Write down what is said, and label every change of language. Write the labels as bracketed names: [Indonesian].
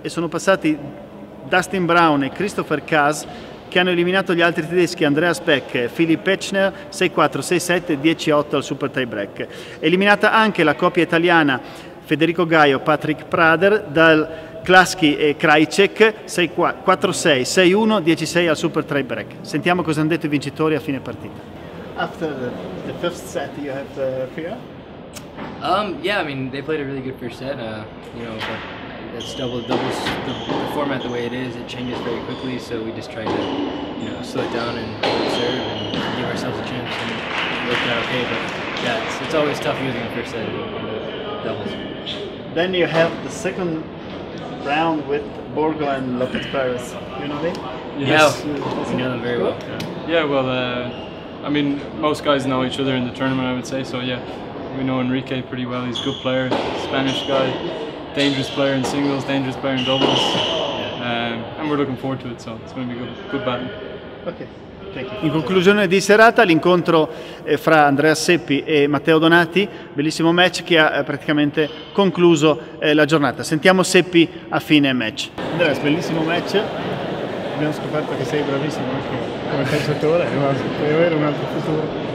[Italian] E sono passati Dustin Brown e Christopher Kaas, che hanno eliminato gli altri tedeschi Andreas Beck e Philipp Pechner 6-4, 6-7, 10-8 al super tie break. Eliminata anche la coppia italiana Federico Gaio, Patrick Prader, dal Klaski e Krajicek 4-6, 6-1, 10-6 al super tie break. Sentiamo cosa hanno detto i vincitori a fine partita. [English] After the first set you had fear? Yeah, I mean they played a really good first set, that's doubles, the format the way it is, it changes very quickly, so we just try to, slow it down and serve and give ourselves a chance, and it worked out okay, but yeah, it's always tough using a first set in doubles. Then you have the second round with Borgo and Lopez Perez, you know them? Yes, we know them very well. Well, most guys know each other in the tournament, I would say, so yeah, we know Enrique pretty well, he's a good player, Spanish guy. Dangerous player in singles, dangerous player in doubles, and we're looking forward to it, so it's going to be a good battle. Okay. Thank you. [Italian] In conclusione di serata, l'incontro fra Andrea Seppi e Matteo Donati, bellissimo match che ha praticamente concluso la giornata. Sentiamo Seppi a fine match. Andrea, bellissimo match, abbiamo scoperto che sei bravissimo anche come calciatore, ma puoi avere un altro futuro.